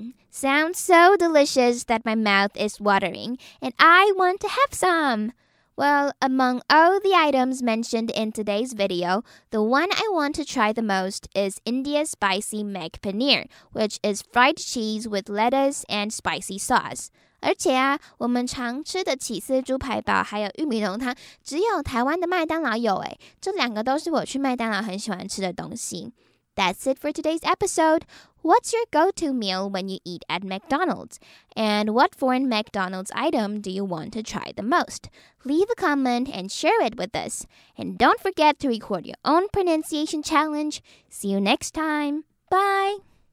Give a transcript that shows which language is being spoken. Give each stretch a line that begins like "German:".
English: Sounds so delicious that my mouth is watering and I want to have some! Well, among all the items mentioned in today's video, the one I want to try the most is India's spicy meg paneer, which is fried cheese with lettuce and spicy sauce.
Chinese: 而且啊，我们常吃的起司猪排堡还有玉米浓汤，只有台湾的麦当劳有诶，这两个都是我去麦当劳很喜欢吃的东西。
English: That's it for today's episode. What's your go-to meal when you eat at McDonald's? And what foreign McDonald's item do you want to try the most? Leave a comment and share it with us. And don't forget to record your own pronunciation challenge. See you next time. Bye!